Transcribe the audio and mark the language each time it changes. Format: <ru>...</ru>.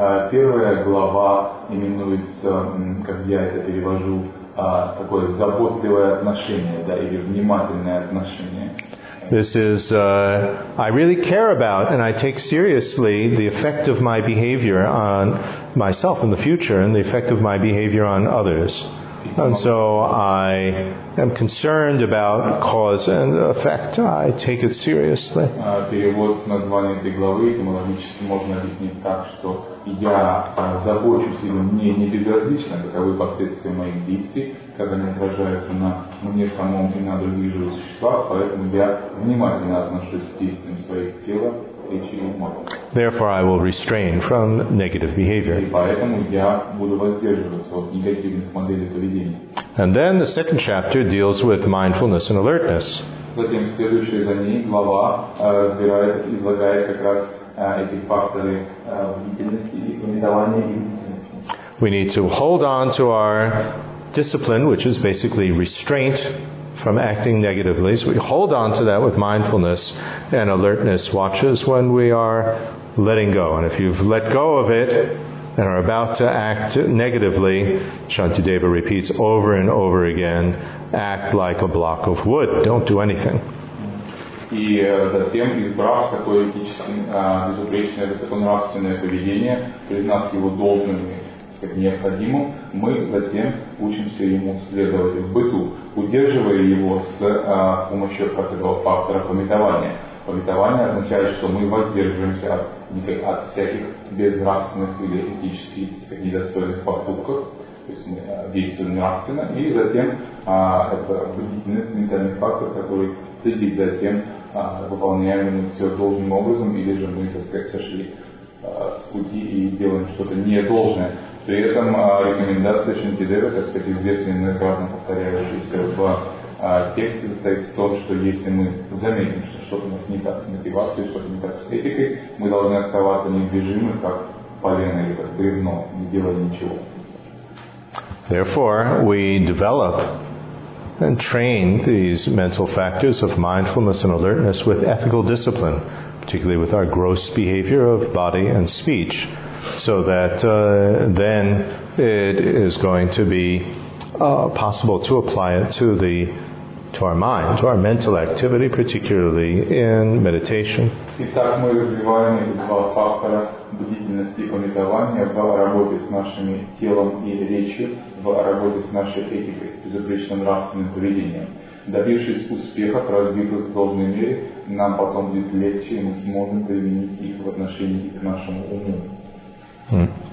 <ru>Первая глава именуется, как я это перевожу, такое заботливое отношение, да, или внимательное отношение.</ru> <en>This is, I really care about and I take seriously the effect of my behavior on myself in the future and the effect of my behavior on others. And so I am concerned about cause and effect. I take it seriously.</en> <ru>Перевод названия этой главы этимологически можно объяснить так, что я забочусь, или мне не безразлично, каковы последствия моих действий, как они отражаются на мне самом и на других живых существах, поэтому я внимательно отношусь к действиям своих тела, речи и ума.</ru> <en>Therefore, I will restrain from negative behavior.</en> <ru>И поэтому я буду воздерживаться от негативных моделей поведения.</ru> <en>And then the second chapter deals with mindfulness and alertness.</en> <ru>Затем следующая за ней глава разбирает, излагает как раз эти факторы бдительности и внимания и бдительности.</ru> <en>We need to hold on to our discipline, which is basically restraint from acting negatively. So we hold on to that with mindfulness and alertness watches when we are letting go. And if you've let go of it and are about to act negatively, Shantideva repeats over and over again, act like a block of wood. Don't do anything.</en> <ru>И затем, избрав такое этическое, безупречное, высоконравственное поведение, признав его должным как необходимым, мы затем учимся ему следовать в быту, удерживая его с помощью этого фактора пометования. Пометование означает, что мы воздерживаемся от всяких безнравственных или этически недостойных поступков, то есть мы действуем нравственно, и затем это бдительность, ментальный фактор, который следит за тем, выполняем мы все должным образом, или же мы, так сказать, сошли с пути и делаем что-то недолжное. При этом рекомендация Шантидевы, так сказать, известная, многократно повторяющаяся в тексте, состоит в том, что если мы заметим, что что-то у нас не так с мотивацией, что-то не так с этикой, мы должны оставаться недвижимы, как полено или как бревно, не делая ничего.</ru> <en>Therefore, we develop and train these mental factors of mindfulness and alertness with ethical discipline, particularly with our gross behavior of body and speech, so that then it is going to be possible to apply it to our mind, to our mental activity, particularly in meditation.</en> <ru>Итак, мы развиваем эти два фактора бдительности и медитования в работе с нашим телом и речью, в работе с нашей этикой, безупречным нравственным поведением. Добившись успехов, развитых в должной мере, нам потом будет легче, и мы сможем применить их в отношении к нашему уму.</ru>